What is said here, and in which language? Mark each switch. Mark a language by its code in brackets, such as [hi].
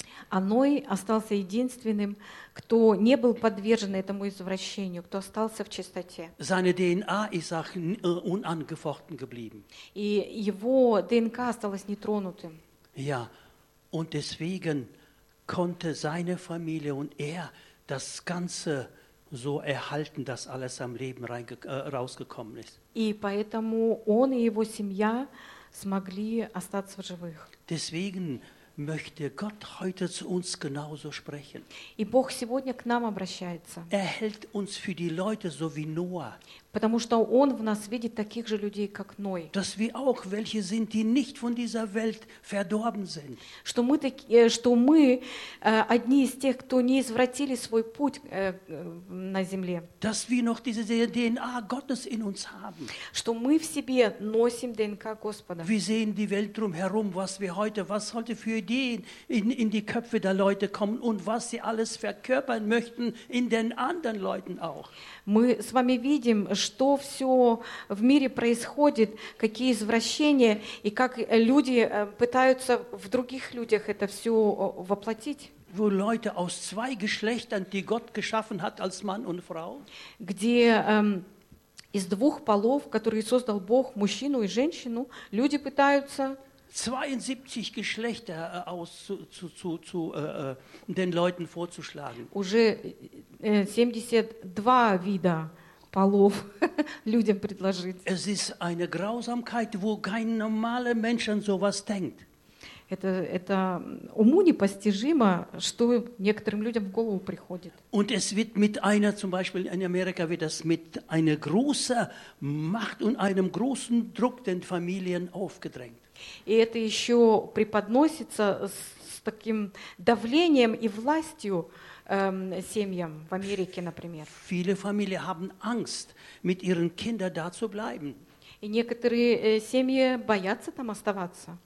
[ru] А Ной остался единственным, кто не был подвержен этому извращению, кто остался в чистоте. [de] Seine DNA ist auch unangefochten geblieben. [ru] И его ДНК осталось нетронутым. [de] Ja, und deswegen konnte seine Familie und das Ganze so erhalten, dass alles am Leben rausgekommen ist. [ru] И поэтому он и его семья смогли остаться в живых. [de] Deswegen möchte Gott heute zu uns genauso sprechen. [ru] И Бог сегодня к нам обращается. [de] Er hält uns für die Leute so wie Noah. [ru] Потому что он в нас видит таких же людей, как Ной. [de] Dass wir auch welche sind, die nicht von dieser Welt verdorben sind. [ru] Что мы одни из тех, кто не извратили свой путь на земле. [de] Dass wir noch diese DNA Gottes in uns haben. [ru] Что мы в себе носим ДНК Господа. [de] Wir sehen die Welt drumherum, was heute für Ideen in die Köpfe der Leute kommen und was sie alles verkörpern möchten in den anderen Leuten auch. [ru] Мы с вами видим, что все в мире происходит, какие извращения и как люди пытаются в других людях это все воплотить. [de] Wo Leute aus zwei Geschlechtern, die Gott geschaffen hat als Mann und Frau. [ru] Где из двух полов, которые создал Бог, мужчину и женщину, люди пытаются [de] 72 Geschlechter den Leuten vorzuschlagen. [ru] Уже 72 вида полов людям предложить. [de] Es ist eine Grausamkeit, wo kein normaler Mensch an sowas denkt. [ru] Это уму непостижимо, что некоторым людям в голову приходит. [de] Und es wird zum Beispiel in Amerika wird das mit einer großen Macht und einem großen Druck den Familien aufgedrängt. [ru] И это еще преподносится с таким давлением и властью семьям в Америке, например. [de] Viele Familien haben Angst, mit ihren Kindern da zu bleiben. [ru] И некоторые семьи боятся там оставаться.